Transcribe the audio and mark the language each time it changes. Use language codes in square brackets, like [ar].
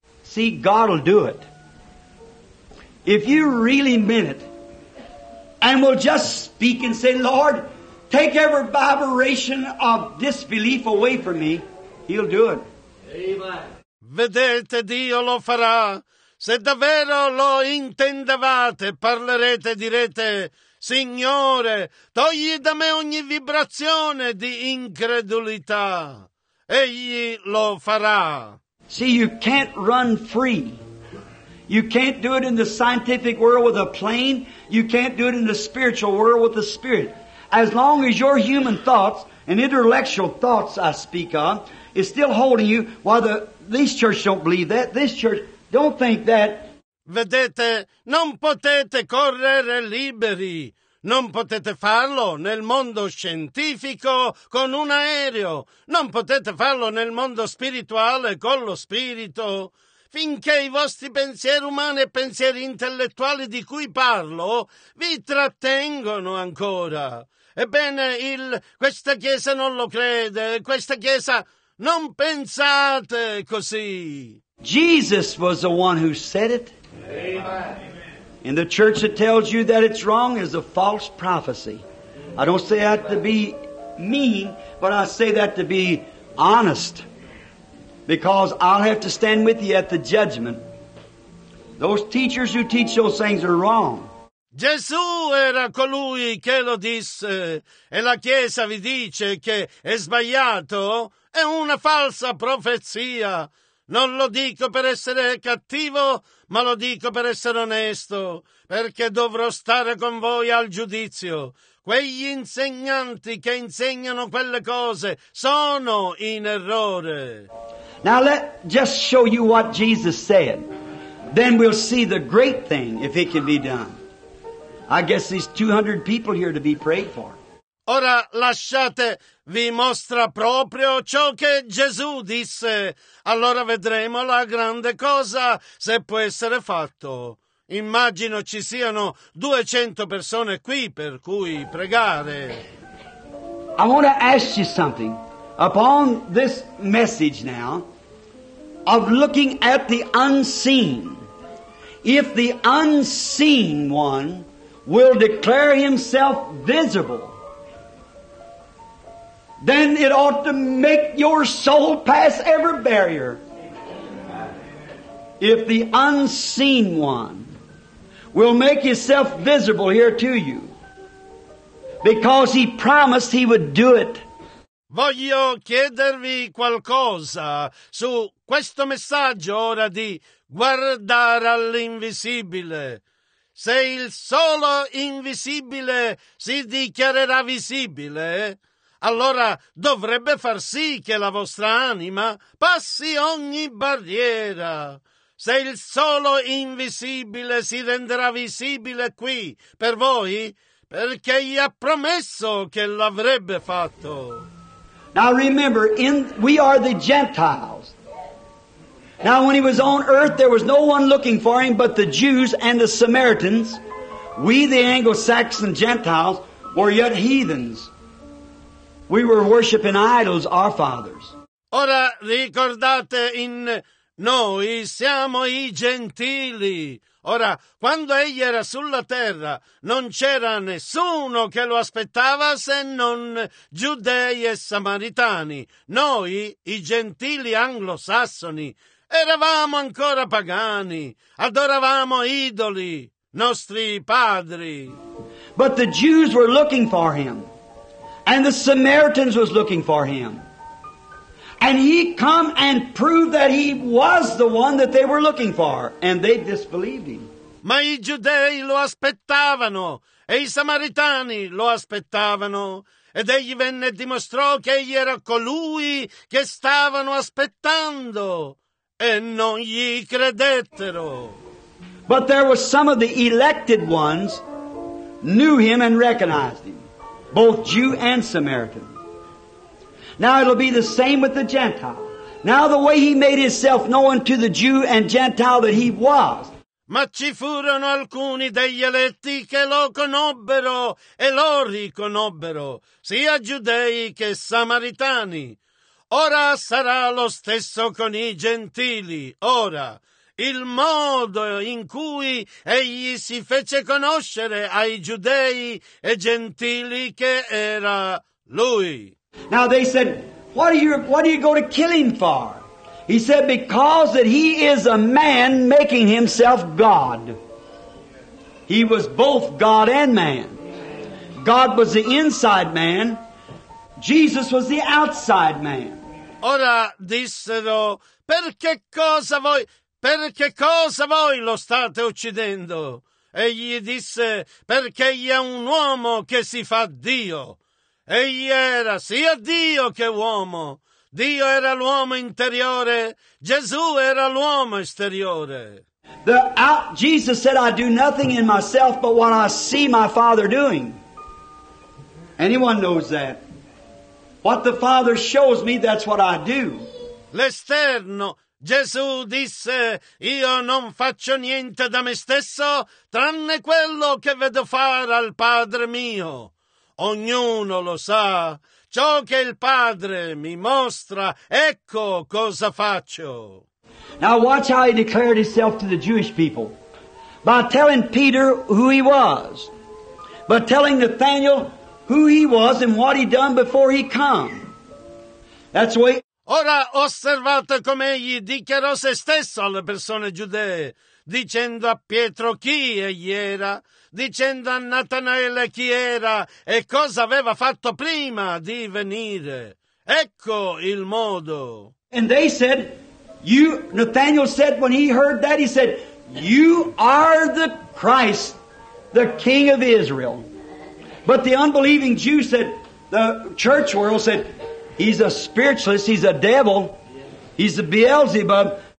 [en] See, God will do it. If you really meant it, and will just speak and say, Lord, take every vibration of disbelief away from me, He'll do it. Amen. [it] Vedete, Dio lo farà. Se davvero lo intendevate, parlerete, direte, Signore, togli da me ogni vibrazione di incredulità. Egli lo farà. [en] See, you can't run free. You can't do it in the scientific world with a plane. You can't do it in the spiritual world with the spirit. As long as your human thoughts and intellectual thoughts I speak of is still holding you, while this church don't believe that, this church don't think that. [it] Vedete, non potete correre liberi. Non potete farlo nel mondo scientifico con un aereo. Non potete farlo nel mondo spirituale con lo spirito. Finché i vostri pensieri umani e pensieri intellettuali di cui parlo vi trattengono ancora. Ebbene, questa Chiesa non lo crede. Questa Chiesa, non pensate così. [en] Jesus was the one who said it. Amen. And the church that tells you that it's wrong is a false prophecy. I don't say that to be mean, but I say that to be honest. Because I'll have to stand with you at the judgment. Those teachers who teach those things are wrong. [it] Gesù era colui che lo disse, e la Chiesa vi dice che è sbagliato, è una falsa profezia. Non lo dico per essere cattivo, ma lo dico per essere onesto, perché dovrò stare con voi al giudizio. Quegli insegnanti che insegnano quelle cose sono in errore. [en] Now let just show you what Jesus said. Then we'll see the great thing if it can be done. I guess there's 200 people here to be prayed for. [it] Ora lasciate, vi mostra proprio ciò che Gesù disse. Allora vedremo la grande cosa se può essere fatto. Immagino ci siano 200 persone qui per cui pregare. [en] I want to ask you something upon this message now of looking at the unseen. If the unseen one will declare himself visible, then it ought to make your soul pass every barrier. If the unseen one will make himself visible here to you, because he promised he would do it. [it] Voglio chiedervi qualcosa su questo messaggio ora di guardare all'invisibile. Se il solo invisibile si dichiarerà visibile, allora dovrebbe far sì che la vostra anima passi ogni barriera. Se il solo invisibile si renderà visibile qui per voi, perché gli ha promesso che l'avrebbe fatto. [en] Now remember, we are the Gentiles. Now when he was on earth, there was no one looking for him but the Jews and the Samaritans. We, the Anglo-Saxon Gentiles, were yet heathens. We were worshiping idols, our fathers. [it] Ora ricordate, in noi siamo i gentili. Ora, quando egli era sulla terra, non c'era nessuno che lo aspettava se non giudei e samaritani. Noi, i gentili anglosassoni, eravamo ancora pagani, adoravamo idoli, nostri padri. [en] But the Jews were looking for him, and the Samaritans was looking for him. And he come and proved that he was the one that they were looking for, and they disbelieved him. [it] Ma i giudei lo aspettavano, e i samaritani lo aspettavano, ed egli venne e dimostrò che egli era colui che stavano aspettando, e non gli credettero. [en] But there were some of the elected ones knew him and recognized him, both Jew and Samaritan. Now it'll be the same with the Gentile. Now the way he made himself known to the Jew and Gentile that he was. [it] Ma ci furono alcuni degli eletti che lo conobbero e lo riconobbero, sia giudei che samaritani. Ora sarà lo stesso con i gentili. Ora, il modo in cui egli si fece conoscere ai giudei e gentili che era lui. [en] Now they said, what do you go to kill him for? He said, because that he is a man making himself God. He was both God and man. God was the inside man, Jesus was the outside man. [it] Ora dissero, per che cosa voi lo state uccidendo? Egli disse, perché egli è un uomo che si fa Dio. Egli era sia Dio che uomo. Dio era l'uomo interiore, Gesù era l'uomo esteriore. [en] Jesus said, I do nothing in myself but what I see my Father doing. Anyone knows that. What the Father shows me, that's what I do. [it] L'esterno, Gesù disse, io non faccio niente da me stesso, tranne quello che vedo fare al Padre mio. Ognuno lo sa. Ciò che il Padre mi mostra, ecco cosa faccio. [en] Now watch how he declared himself to the Jewish people by telling Peter who he was, by telling Nathaniel who he was and what he'd done before he come. That's the way. [it] Ora osservate come egli dichiarò se stesso alle persone giudee, dicendo a Pietro chi egli era, dicendo a Natanaele chi era e cosa aveva fatto prima di venire. Ecco il modo. [en] And they said, you, Nathanael said when he heard that, he said, you are the Christ, the King of Israel. But the unbelieving Jews said, the church world said, he's a spiritualist, he's a devil, he's a Beelzebub.